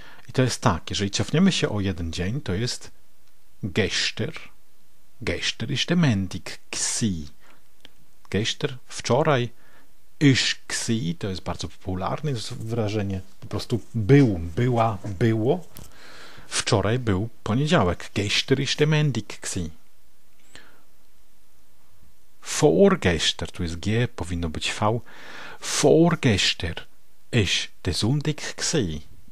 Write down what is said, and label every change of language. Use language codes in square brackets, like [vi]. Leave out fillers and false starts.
[pl] I to jest tak, jeżeli cofniemy się o jeden dzień, to jest gestern. [gsw] Gestern ist der Montag gsi. [pl] Gestern, wczoraj, ist gsi, to jest bardzo popularne wyrażenie, po prostu był, była, było. Wczoraj był poniedziałek. [gsw] Gestern ist der Montag gsi. [pl] Vorgestern, tu jest G, powinno być V. [gsw] Vorgestern ist der Sonntag gsi.